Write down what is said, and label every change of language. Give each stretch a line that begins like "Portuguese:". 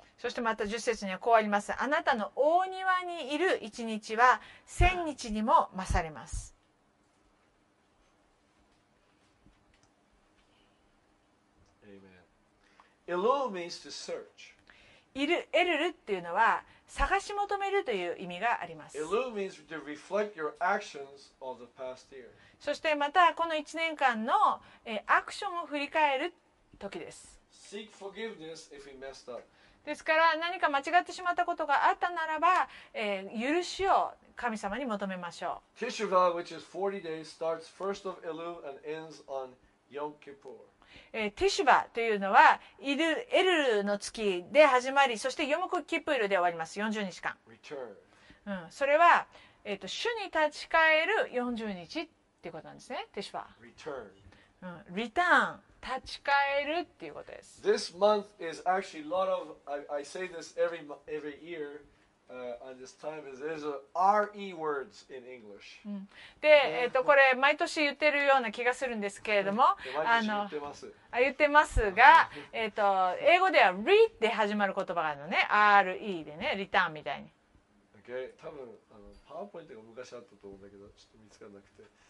Japanese: そしてまた10節にはこうあります。あなたの大庭にいる一日は千日にも勝ります。
English: Elul means to search.
Japanese: エルルっていうのは探し求めるという意味があります。
English: Elul means to reflect your actions of the past year.
Japanese: そしてまたこの1年間のアクションを振り返る時です。
English: Seek forgiveness if we messed up.
Japanese: ですから何か間違ってしまったことがあったならば、許しを神様に求めましょう。
English: Teshuvah, which is 40 days, starts first of Elul and ends on Yom Kippur.
Japanese: ティシュバというのはエルルの月で始まり、そしてヨムクキプールで終わります。 40日間、うん、それは、主に立ち返る40日ってことなんですね。ティシュバ、うん、リターン、立ち返るっていうことです。
English: This month is actually a lot of I say this every yearon this time is there's a re words in English.
Japanese: で、これ毎年言ってるような気がするんですけれども、あの、言ってます。あ、言ってますが、英語では re で始まる言葉があるのね、re でね、リターンみたいに。 Okay, 多分あのパワーポイントが昔あったと思うんだけど、ちょっと見つからなくて。